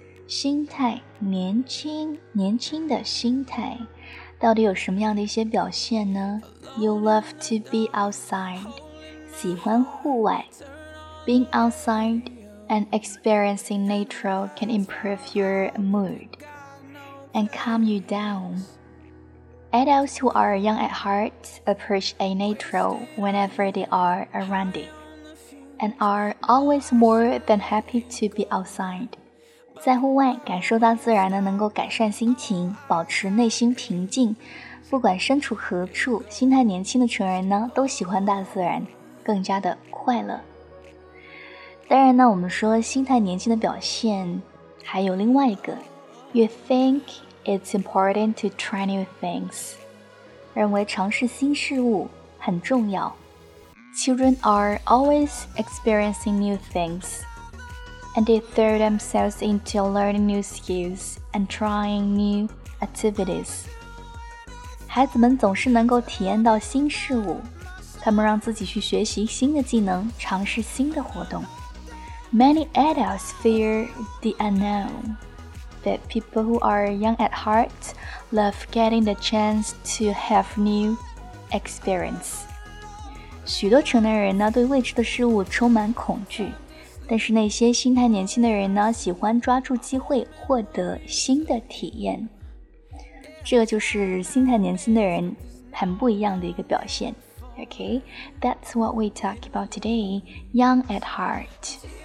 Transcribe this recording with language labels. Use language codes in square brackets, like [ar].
[zh] 心态，年轻，年轻的心态到底有什么样的一些表现呢？ [en] You love to be outside. [zh] 喜欢户外。 [en] Being outside and experiencing nature can improve your mood and calm you down. Adults who are young at heart approach a natural whenever they are around it, and are always more than happy to be outside. [zh] 在户外感受到自然呢，能够改善心情，保持内心平静。不管身处何处，心态年轻的成人呢，都喜欢大自然，更加的快乐。当然呢，我们说心态年轻的表现还有另外一个 ， [en] You think. It's important to try new things. [zh] 认为尝试新事物很重要。 [en] Children are always experiencing new things, and they throw themselves into learning new skills and trying new activities. [zh] 孩子们总是能够体验到新事物，他们让自己去学习新的技能，尝试新的活动。 [en] Many adults fear the unknown. That people who are young at heart love getting the chance to have new experience. [zh] 许多成年人呢对未知的事物充满恐惧，但是那些心态年轻的人呢喜欢抓住机会获得新的体验。这就是心态年轻的人很不一样的一个表现。 [en] Okay, that's what we talk about today. Young at heart.